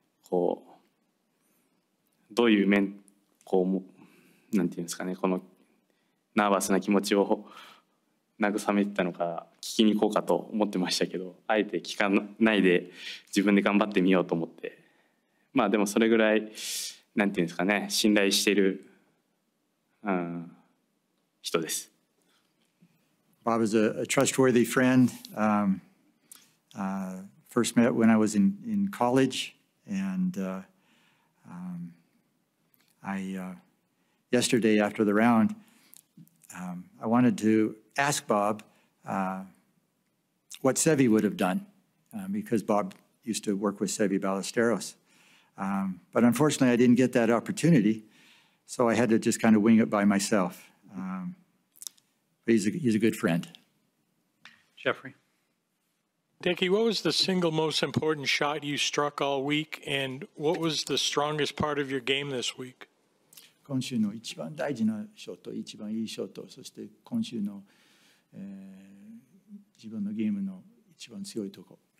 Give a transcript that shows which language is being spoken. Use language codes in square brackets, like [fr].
[ja] こうどういう面こうもなんていうんですかね、このナーバスな気持ちを慰めてたのか聞きに行こうかと思ってましたけど、あえて聞かないで自分で頑張ってみようと思って、まあでもそれぐらいなんていうんですかね、信頼してる、人です。 [en] Bob is a trustworthy friend. First met when I was in college, and yesterday after the round, I wanted to ask Bob what Seve would have done, because Bob used to work with Seve Ballesteros. But unfortunately, I didn't get that opportunity, so I had to just kind of wing it by myself. But he's a good friend. Jeffrey. Dickie, what was the single most important shot you struck all week, and what was the strongest part of your game this week? [ja] 今週の一番大事なショット、一番いいショット、そして今週の、自分のゲームの一番強いとこ。